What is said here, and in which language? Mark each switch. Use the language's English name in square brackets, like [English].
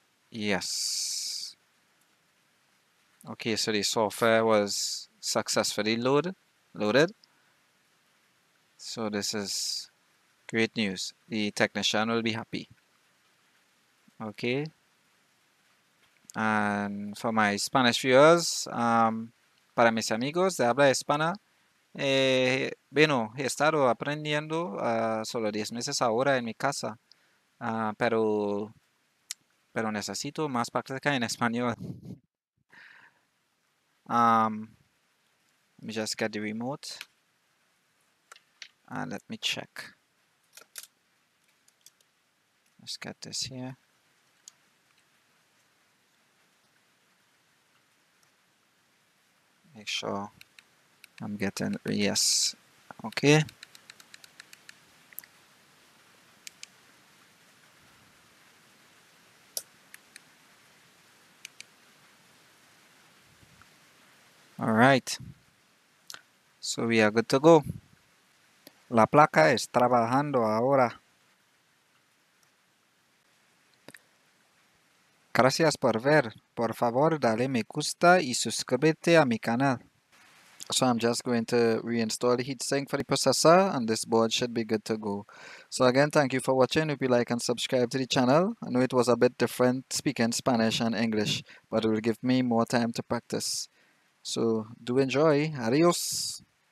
[English] Yes. Okay, so the software was successfully loaded. So this is great news. The technician will be happy. Okay. And for my Spanish viewers, [Spanish] para mis amigos de habla hispana, bueno, he estado aprendiendo solo 10 meses ahora en mi casa, pero necesito más práctica en español. [English] Let me just get the remote and let me check. Let's get this here. Make sure I'm getting yes. Okay. All right, so we are good to go. [Spanish] La placa es trabajando ahora. Gracias por ver. Por favor, dale me gusta y suscríbete a mi canal. [English] So I'm just going to reinstall the heatsink for the processor and this board should be good to go. So again, thank you for watching. If you like and subscribe to the channel, I know it was a bit different speaking Spanish and English, but it will give me more time to practice. So, do enjoy. Adios.